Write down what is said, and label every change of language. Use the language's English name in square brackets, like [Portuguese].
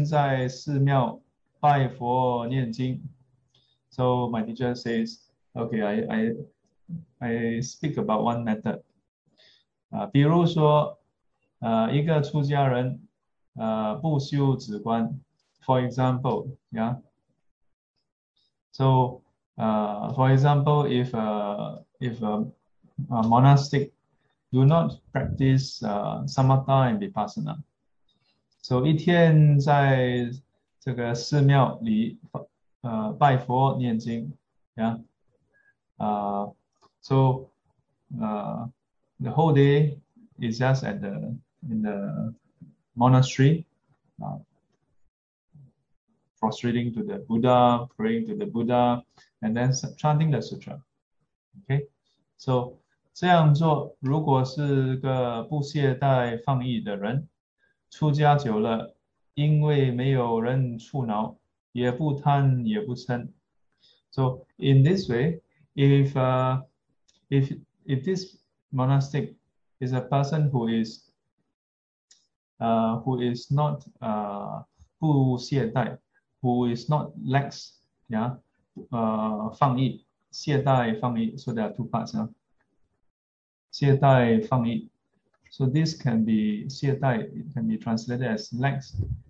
[Chinese] 我说一件事，比如说一个人，一个出家人，不修止观，一天在寺庙拜佛念经. [English] So my teacher says, okay, I speak about one method. [Chinese] 比如说, 一个出家人, 不修止观, [English] for example, yeah. So, for example, if a monastic do not practice Samatha and Vipassana, so [Chinese] 一天在这个寺庙里, 拜佛念经， [English] yeah. So, the whole day is just at the in the monastery, prostrating to the Buddha, praying to the Buddha, and then chanting the sutra. Okay, so [Chinese] 这样做，如果是个不懈怠放逸的人，出家久了，因为没有人触恼。也不贪也不嗔， [English] so in this way, if this monastic is a person who is not [Chinese] 不懈怠， [English] who is not lax, yeah, [Chinese] 放逸懈怠放逸， [English] so there are two parts 啊， [Chinese] 懈怠放逸， [English] so this can be 懈怠，it can be translated as lax。